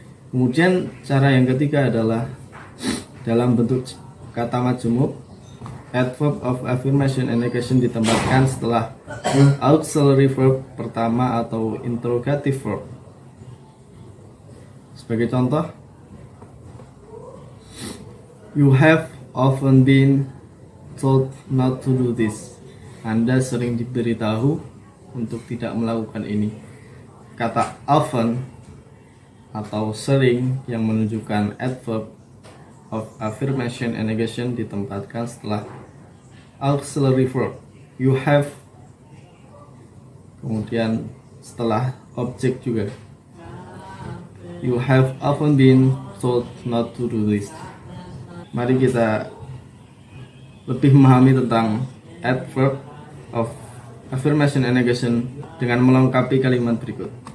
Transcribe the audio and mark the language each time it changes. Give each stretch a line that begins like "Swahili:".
Indonesian: Kemudian cara yang ketiga adalah dalam bentuk kata majemuk, adverb of affirmation and negation ditempatkan setelah auxiliary verb pertama atau interrogative verb. Sebagai contoh,
English: you have often been told not to do this.
Indonesian: Anda sering diberitahu untuk tidak melakukan ini. Kata often atau sering yang menunjukkan adverb of affirmation and negation ditempatkan setelah auxiliary verb.
English: You have,
Indonesian: kemudian setelah objek juga.
English: You have often been told not to do this.
Indonesian: Mari kita lebih memahami tentang adverb of affirmation and negation dengan melengkapi kalimat berikut.